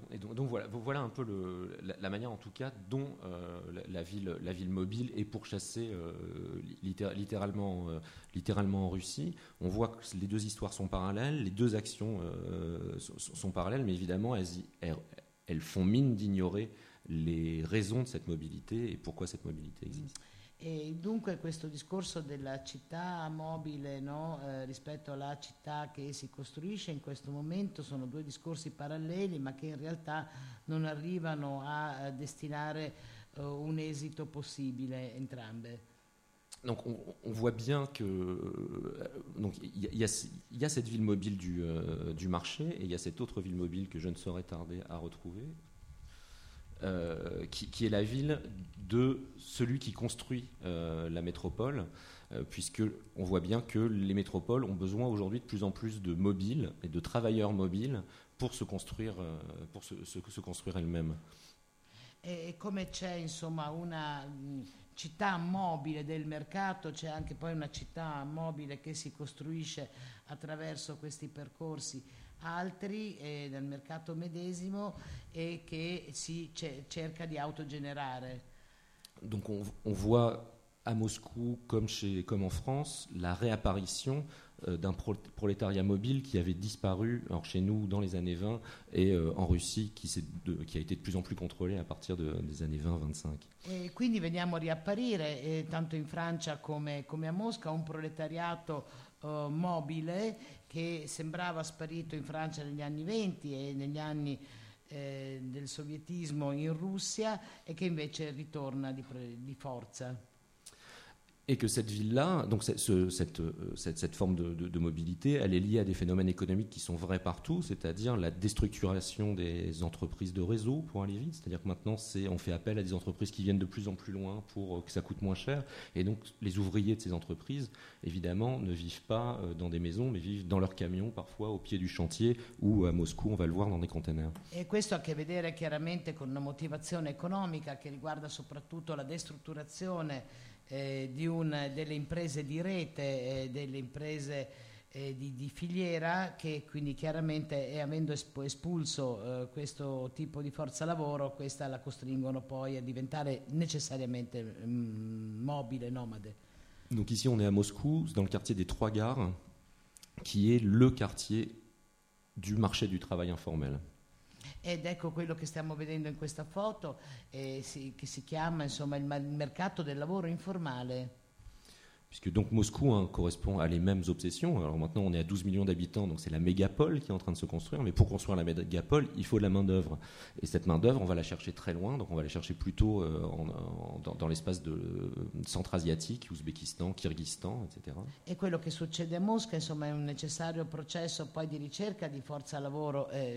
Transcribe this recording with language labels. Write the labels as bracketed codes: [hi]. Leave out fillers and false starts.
[fr] Donc voilà un peu la manière en tout cas dont la ville mobile est pourchassée littéralement en Russie. On voit que les deux histoires sont parallèles, les deux actions sont parallèles, mais évidemment elles font mine d'ignorer les raisons de cette mobilité et pourquoi cette mobilité existe. [it] E dunque questo discorso della città mobile, no, rispetto alla città che si costruisce in questo momento sono due discorsi paralleli ma che in realtà non arrivano a destinare un esito possibile entrambe. [fr] Donc on voit bien que il y a cette ville mobile du marché et il y a cette autre ville mobile que je ne saurais tarder à retrouver. Qui est la ville de celui qui construit la métropole, puisque on voit bien que les métropoles ont besoin aujourd'hui de plus en plus de mobiles et de travailleurs mobiles pour se construire pour se construire elles-mêmes. Et comme [it] c'è insomma una città mobile del mercato, c'è anche poi una città mobile che si costruisce attraverso questi percorsi altri del mercato medesimo e che si cerca di autogenerare. [fr] Donc on voit à Moscou comme en France la réapparition d'un prolétariat mobile qui avait disparu alors chez nous dans les années 20 et en Russie qui a été de plus en plus contrôlé à partir des années 20-25. [it] E quindi veniamo a riapparire tanto in Francia come a Mosca un proletariato mobile che sembrava sparito in Francia negli anni 20 e negli anni del sovietismo in Russia e che invece ritorna di forza. [fr] Et que cette ville-là, donc cette forme de mobilité, elle est liée à des phénomènes économiques qui sont vrais partout, c'est-à-dire la déstructuration des entreprises de réseau pour aller vite, c'est-à-dire que maintenant on fait appel à des entreprises qui viennent de plus en plus loin pour que ça coûte moins cher, et donc les ouvriers de ces entreprises, évidemment, ne vivent pas dans des maisons, mais vivent dans leurs camions, parfois au pied du chantier, ou à Moscou, on va le voir, dans des containers. [it] Et questo a che vedere chiaramente con una motivazione economica che riguarda soprattutto la destrutturazione delle imprese di rete, delle imprese di filiera, che quindi chiaramente, avendo espulso questo tipo di forza lavoro, questa la costringono poi a diventare necessariamente mobile, nomade. [fr] Donc ici on est à Moscou, dans le quartier des Trois Gares, qui est le quartier du marché du travail informel. [it] Ed ecco quello che stiamo vedendo in questa foto, che si chiama insomma il mercato del lavoro informale. [fr] Puisque donc Moscou correspond à les mêmes obsessions. Alors maintenant on est à 12 millions d'habitants, donc c'est la mégapole qui est en train de se construire. Mais pour construire la mégapole, il faut de la main d'œuvre. Et cette main d'œuvre, on va la chercher très loin. Donc on va la chercher plutôt dans l'espace de centro-asiatique, Ouzbékistan, Kyrgyzstan, etc. [it] E quello che succede a Mosca, insomma, è un necessario processo poi di ricerca di forza lavoro.